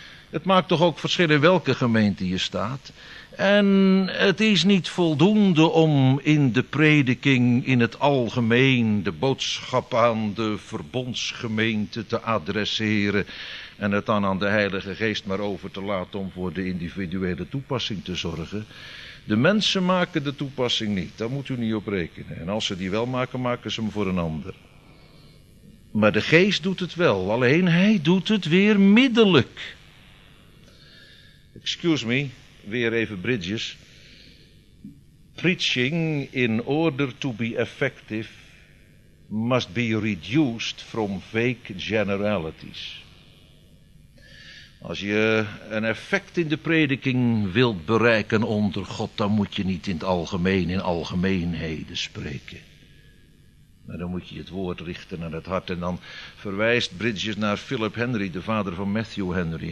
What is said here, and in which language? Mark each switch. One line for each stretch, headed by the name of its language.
Dutch: Het maakt toch ook verschil in welke gemeente je staat. En het is niet voldoende om in de prediking in het algemeen de boodschap aan de verbondsgemeente te adresseren en het dan aan de Heilige Geest maar over te laten om voor de individuele toepassing te zorgen. De mensen maken de toepassing niet, daar moet u niet op rekenen. En als ze die wel maken, maken ze hem voor een ander. Maar de Geest doet het wel, alleen hij doet het weer middelijk.
English: Excuse me.
Dutch: Weer even Bridges.
English: Preaching, in order to be effective, must be reduced from vague generalities.
Dutch: Als je een effect in de prediking wilt bereiken onder God, dan moet je niet in het algemeen, in algemeenheden spreken. Maar dan moet je het woord richten naar het hart. En dan verwijst Bridges naar Philip Henry, de vader van Matthew Henry.